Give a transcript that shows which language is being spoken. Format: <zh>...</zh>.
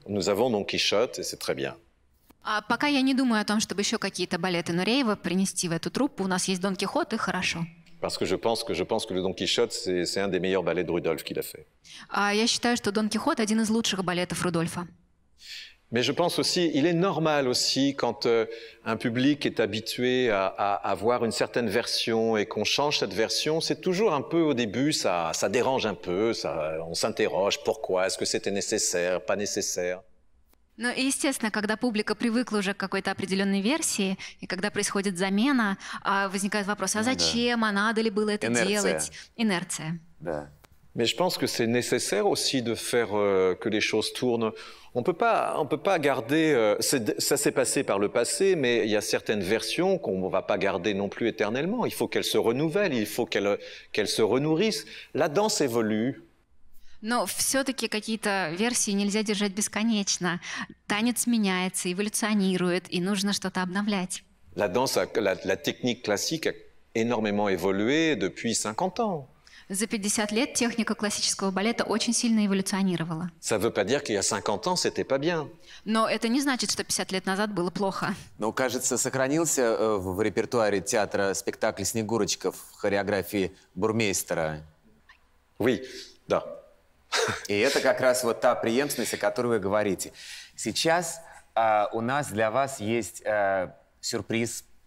<fr>Nous avons Don Quichotte, et c'est très bien.</fr> <ru>А пока я не думаю о том, чтобы еще какие-то балеты Нуреева принести в эту труппу. У нас есть Дон Кихот, и хорошо.</ru> <fr>Parce que je pense que le Don Quichotte, c'est un des meilleurs ballets de Rudolf qu'il a fait.</fr> <ru>Я считаю, что Дон Кихот один из лучших балетов Рудольфа.</ru> <fr>Mais je pense aussi, il est normal aussi quand un public est habitué à voir une certaine version et qu'on change cette version, c'est toujours un peu au début, ça dérange un peu, on s'interroge pourquoi, est-ce que c'était nécessaire, pas nécessaire.</fr> <ru>Ну, естественно, когда публика привыкла уже к какой-то определенной версии, и когда происходит замена, возникает вопрос, а зачем, а надо ли было это делать? Инерция. Да.</ru> <fr>Mais je pense que c'est nécessaire aussi de faire que les choses tournent. On peut pas garder. Ça s'est passé par le passé, mais il y a certaines versions qu'on ne va pas garder non plus éternellement. Il faut qu'elles se renouvellent, il faut qu'elles se renourrissent. La danse évolue.</fr> <ru>Но все-таки какие-то версии нельзя держать бесконечно. Танец меняется, эволюционирует, и нужно что-то обновлять.</ru> <fr>La danse, la technique classique a énormément évolué depuis 50 ans.</fr> <ru>За 50 лет техника классического балета очень сильно эволюционировала.</ru> <fr>Ça veut pas dire qu'il y a 50 ans, c'était pas bien.</fr> <ru>Но это не значит, что 50 лет назад было плохо. Но, кажется, сохранился в репертуаре театра спектакль «Снегурочка» в хореографии Бурмейстера.</ru> <fr>Oui,</fr> <ru>да. И это как раз вот та преемственность, о которой вы говорите. Сейчас у нас для вас есть сюрприз.</ru>